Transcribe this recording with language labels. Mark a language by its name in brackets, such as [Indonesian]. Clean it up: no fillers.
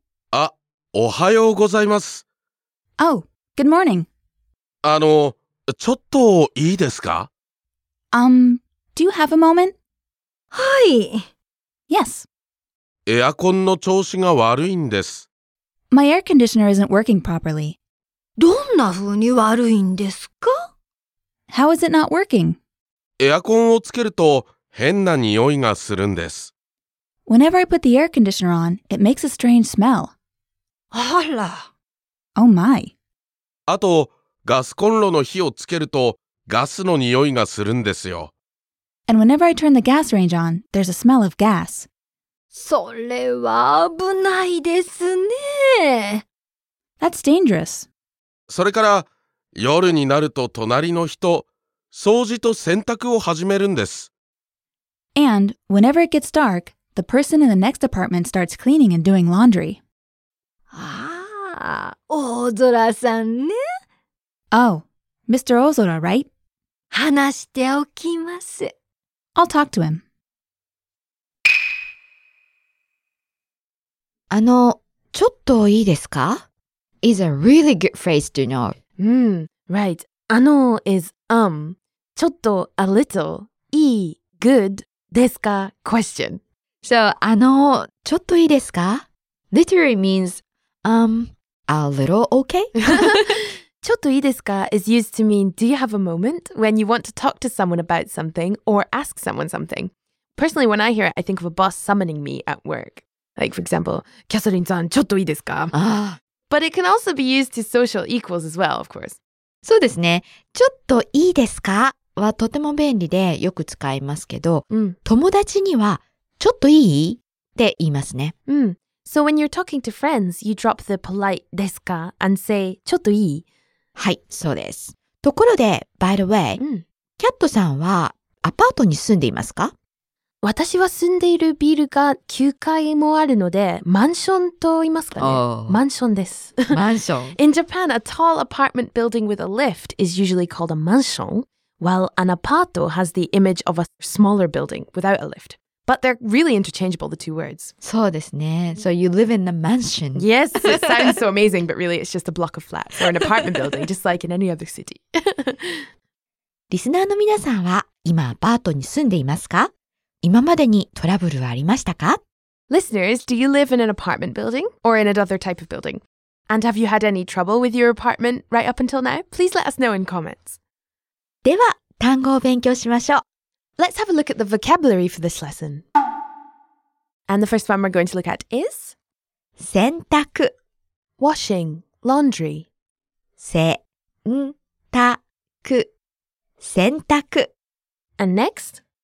[Japanese] あ、おはようございます。 [English] Oh, good morning. [Japanese] ちょっといいですか？ [English] Do you have a moment? [Japanese] はい。 [English] Yes. [Japanese] エアコンの調子が悪いんです。 [English] My air conditioner isn't working properly. [Japanese] どんな風に悪いんですか？ [English] How is it not working? [Japanese] エアコンをつけると変な匂いがするんです。 [English] Whenever I put the air conditioner on, it makes a strange smell. [Japanese] あら。 [English] Oh my. [Japanese] あと、ガスコンロの火をつけるとガスの匂いがするんですよ。 [English] And whenever I turn the gas range on, there's a smell of gas. [Japanese] それは危ないですね。 [English] That's dangerous. [Japanese] それから、夜になると隣の人、掃除と洗濯を始めるんです。 [English] And whenever it gets dark, the The person in the next apartment starts cleaning and doing laundry. [Japanese] Ah, Ozora-san ne? [English] Oh, Mr. Ozora, right? [Japanese] 話しておきます。 [English] I'll talk to him. [Japanese] あの、ちょっといいですか? [English] Is a really good phrase to know. Right. あの is ちょっと a little いい good ですか? Question. So, [Japanese] あの、ちょっといいですか? [English] Literally means a little okay? [Japanese] ちょっといいですか? [English] is used to mean do you have a moment when you want to talk to someone about something or ask someone something. Personally, when I hear it, I think of a boss summoning me at work. Like, for example, Katherine-san, [Japanese] ちょっといいですか? [English] But it can also be used to social equals as well, of course. [Japanese] そうですね。ちょっといいですか? はとても便利でよく使いますけど、友達にはちょっといい? って言いますね。 [English] So when you're talking to friends, you drop the polite ですか? and say, [Japanese] ちょっといい? はい、そうです。ところで、 [English] by the way, [Japanese] キャットさんはアパートに住んでいますか? 私は住んでいるビルが9階もあるので、マンションと言いますかね。マンションです。マンション。 [English] In Japan, a tall apartment building with a lift is usually called a mansion, while an apartment has the image of a smaller building without a lift. But they're really interchangeable, the two words. [Japanese] そうですね。 [English] So you live in a mansion. Yes, it sounds so amazing, but really it's just a block of flats or an apartment building, just like in any other city. [Japanese] リスナーの皆さんは今アパートに住んでいますか? 今までにトラブルはありましたか? [English] Listeners, do you live in an apartment building or in another type of building? And have you had any trouble with your apartment right up until now? Please let us know in comments. [Japanese] では、単語を勉強しましょう。 [English] Let's have a look at the vocabulary for this lesson. And the first one we're going to look at is? [Japanese] 洗濯 [English] Washing, laundry. [Japanese] 洗濯 洗濯 [English] And next?